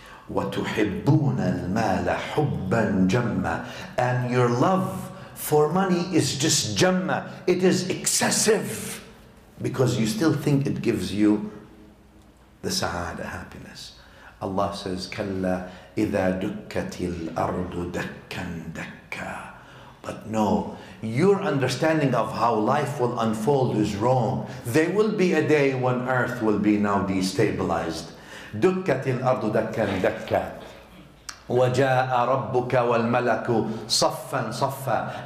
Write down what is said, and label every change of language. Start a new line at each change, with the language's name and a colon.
Arabic: وَتُحِبُّونَ الْمَالَ حُبًّا جَمَّا.
English: And your love for money is just jammah. It is excessive. Because you still think it gives you the sa'ada, happiness. Allah says,
Arabic: كَلَّا إِذَا دُكَّتِ الْأَرْضُ دَكًّا دَكًّا.
English: But no, your understanding of how life will unfold is wrong. There will be a day when earth will be now destabilized.
Arabic: دُكَّتِ الْأَرْضُ دَكًّا دَكًّا وَجَاءَ رَبُّكَ وَالْمَلَكُ صَفًّا صَفًّا.